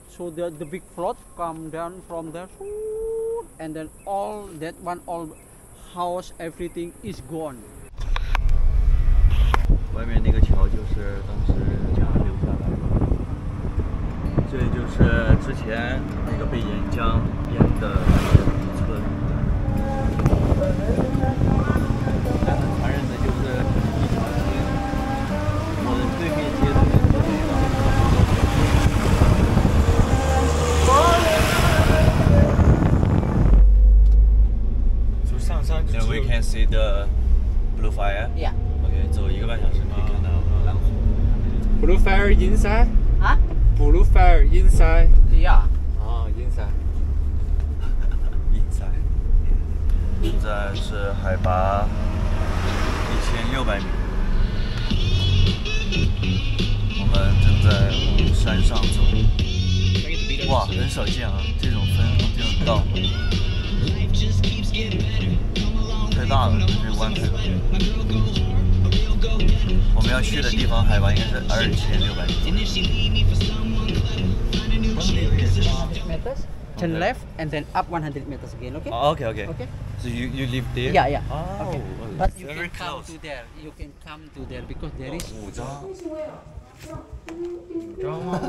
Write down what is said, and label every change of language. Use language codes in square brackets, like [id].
[en] So the big flood come down from there, and then all that one all. House everything is gone。 [zh] 外面那个桥就是当时这样留下来的，这就是之前那个被岩浆淹的村。但很残忍的就是一条街，我的对面街的人都没了。 [en] Then we can see the blue fire. Yeah. [zh] Okay, 走一个半小时可以看到蓝火。 [en] Blue fire inside? Huh? Blue fire inside? Yeah. Oh, inside. [zh] inside. 现在是海拔1600米。我们正在往山上走。哇，很少见啊，这种风，这种道。太大了，这弯太大了。我们要去的地方海拔应该是2600米。 [en] 10 meters, turn left, and then up 100 meters again. Okay. Okay. Okay. So you live there? Yeah, yeah. Oh, okay. But you can come to there. You can come to there because there is. [zh] 五张。 [en] Oh,